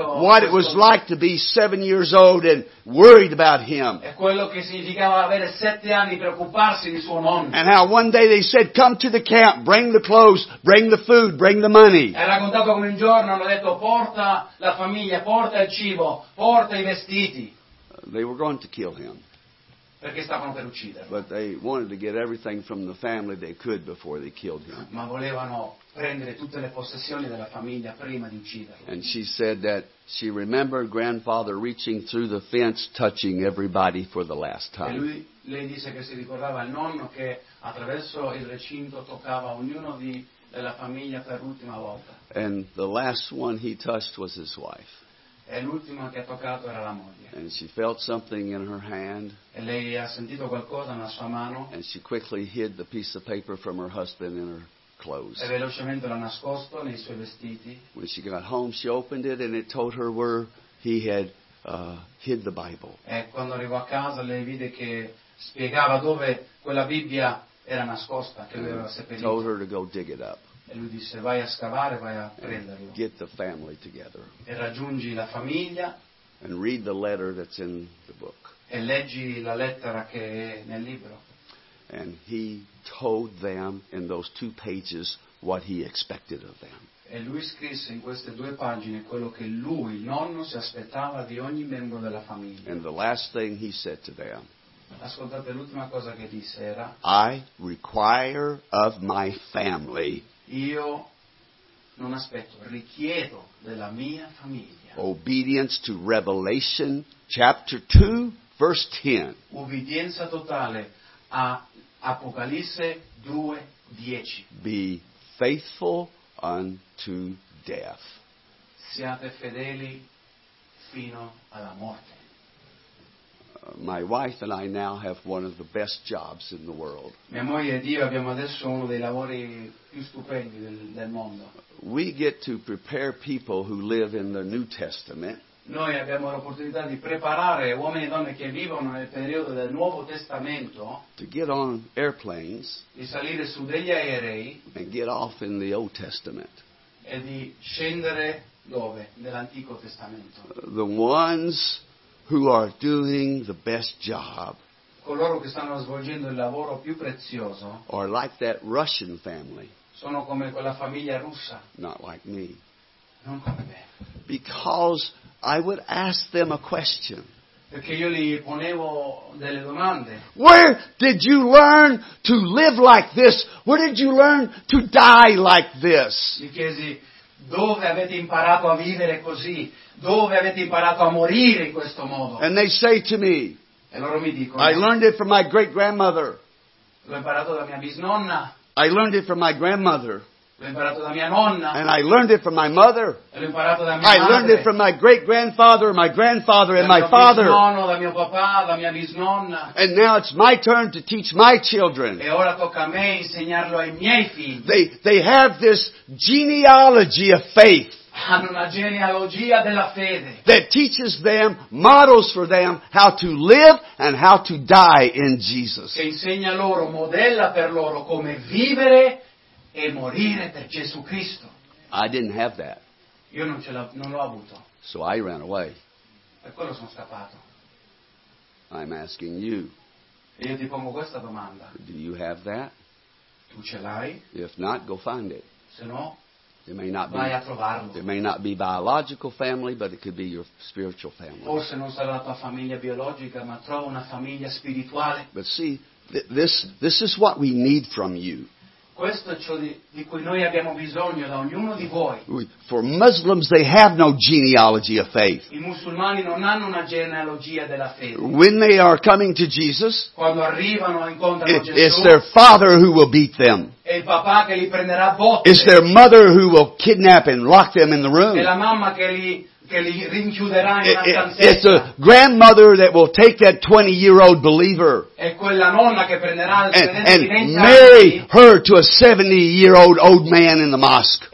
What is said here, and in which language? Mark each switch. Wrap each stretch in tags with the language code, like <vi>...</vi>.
<en>And what it was like to be 7 years old and worried about him.</en> <it>E quello che significava avere 7 anni, preoccuparsi di suo nonno.</it> <en>And how one day they said, "Come to the camp, bring the clothes, bring the food, bring the money."</en> <it>E ha raccontato come un giorno hanno detto, "Porta la famiglia, porta il cibo."</it> <en>They were going to kill him.</en> <it>Perché stavano per ucciderlo.</it> <en>But they wanted to get everything from the family they could before they killed him.</en> <it>Ma volevano prendere tutte le possessioni della famiglia prima di ucciderlo.</it> <en>And she said that she remembered grandfather reaching through the fence, touching everybody for the last time.</en> <it>E lei disse che si ricordava il nonno che attraverso il recinto toccava ognuno della famiglia per l'ultima volta.</it> <en>And the last one he touched was his wife.</en> <it>E l'ultima che ha toccato era la moglie.</it> <en>And she felt something in her hand.</en> <it>E lei ha sentito qualcosa nella sua mano.</it> <en>And she quickly hid the piece of paper from her husband in her clothes.</en> <it>E velocemente l'ha nascosto nei suoi vestiti.</it> <en>When she got home, she opened it and it told her where he had hid the Bible.</en> <it>E quando arrivò a casa lei vide che spiegava dove quella Bibbia era nascosta, che lui aveva seppellito.</it> <en>Told her to go dig it up.</en> <it>E lui disse, vai a scavare, vai a prenderlo.</it> <en>Get the family together.</en> <it>E raggiungi la famiglia.</it> <en>And read the letter that's in the book.</en> <it>E leggi la lettera che è nel libro.</it> <en>And he told them in those 2 pages what he expected of them.</en> <it>E lui scrisse in queste 2 pagine quello che lui, il nonno, si aspettava di ogni membro della famiglia.</it> <en>And the last thing he said to them.</en> <it>Ascoltate, l'ultima cosa che disse era.</it> <en>I require of my family.</en> <it>Io non aspetto, richiedo della mia famiglia.</it> <en>Obedience to Revelation chapter 2, verse 10.</en> <it>Ubbidienza totale a Apocalisse 2, 10.</it> <en>Be faithful unto death.</en> <it>Siate fedeli fino alla morte.</it> <en>My wife and I now have one of the best jobs in the world.</en> <it>Mia moglie ed io abbiamo adesso uno dei lavori più stupendi del mondo.</it> <en>We get to prepare people who live in the New Testament.</en> <it>Noi abbiamo l'opportunità di preparare uomini e donne che vivono nel periodo del Nuovo Testamento.</it> <en>To get on airplanes.</en> <it>Di salire su degli aerei.</it> <en>And get off in the Old Testament.</en> <it>E di scendere dove? Nell'Antico Testamento.</it> <en>The ones who are doing the best job.</en> <it>Coloro che stanno svolgendo il lavoro più prezioso.</it> <en>Or like that Russian family.</en> <it>Sono come quella famiglia russa.</it> <en>Not like me.</en> <it>Non come me.</it> <en>Because I would ask them a question.</en> <it>Perché io gli ponevo delle domande.</it> <en>Where did you learn to live like this? Where did you learn to die like this?</en> <it>Gli chiesi, dove avete imparato a vivere così? Dove avete imparato a morire in questo modo?</it> <en>And they say to me,</en> <it>e loro mi dicono,</it> <en>I learned it from my great grandmother.</en> <it>L'ho imparato da mia bisnonna.</it> <en>I learned it from my grandmother.</en> <it>L'ho imparato da mia nonna.</it> <en>And I learned it from my mother.</en> <it>E l'ho imparato da mia madre.</it> <en>I learned it from my great grandfather, my grandfather, and my father.</en> <it>Da mio nonno, da mio papà, da mia bisnonna.</it> <en>And now it's my turn to teach my children.</en> <it>E ora tocca a me insegnarlo ai miei figli.</it> <en>They have this genealogy of faith.</en> <it>Hanno una genealogia della fede.</it> <en>That teaches them, models for them, how to live and how to die in Jesus.</en> <it>Che insegna loro, modella per loro come vivere e morire per Gesù Cristo.</it> <en>I didn't have that.</en> <it>Io non l'ho avuto.</it> <en>So I ran away.</en> <it>Per quello sono scappato.</it> <en>I'm asking you.</en> <it>E io ti pongo questa domanda.</it> <en>Do you have that?</en> <it>Tu ce l'hai?</it> <en>If not, go find it.</en> <it>Se no,</it> <en>it may not be,</en> <it>vai a trovarlo.</it> <en>It may not be biological family, but it could be your spiritual family.</en> <it>Forse non sarà la tua famiglia biologica, ma trova una famiglia spirituale.</it> <en>But see, this is what we need from you.</en> <it>Questo è ciò di cui noi abbiamo bisogno da ognuno di voi.</it> <en>For Muslims, they have no genealogy of faith.</en> <it>I musulmani non hanno una genealogia della fede.</it> <en>When they are coming to Jesus,</en> <it>quando arrivano e incontrano</it> <en>Gesù, it's their father who will beat them.</en> <it>È il papà che li prenderà a botte.</it> <en>It's their mother who will kidnap and lock them in the room.</en> <it>È la mamma che li rinchiuderà in una stanza.</it> <en>It's a grandmother that will take that 20-year-old believer.</en> <it>È quella nonna che prenderà il</it> <en>and marry her to a 70-year-old old man in the mosque.</en>